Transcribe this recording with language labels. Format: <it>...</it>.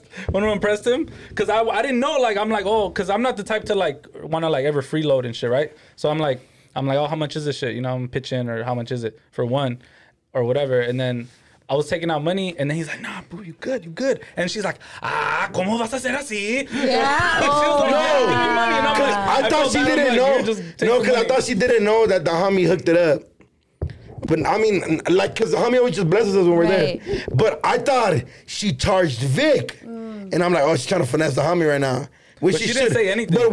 <en>one of them pressed him. Because I didn't know, like, I'm like, oh, because I'm not the type to, like, want to, like, ever freeload and shit, right? So I'm like, oh, how much is this shit? You know, I'm pitching, or how much is it for one or whatever. And then I was taking out money, and then he's like, nah, boo, you good. And she's like, ah,</en> <es>¿cómo vas a hacer así?</es> <en>Yeah. Oh, she was like, no. I thought she didn't know that the homie hooked it up. But I mean, like, because the homie always just blesses us when we're right there. But I thought she charged Vic. Mm. And I'm like, oh, she's trying to finesse the homie right now. Which but she didn't say anything.</en>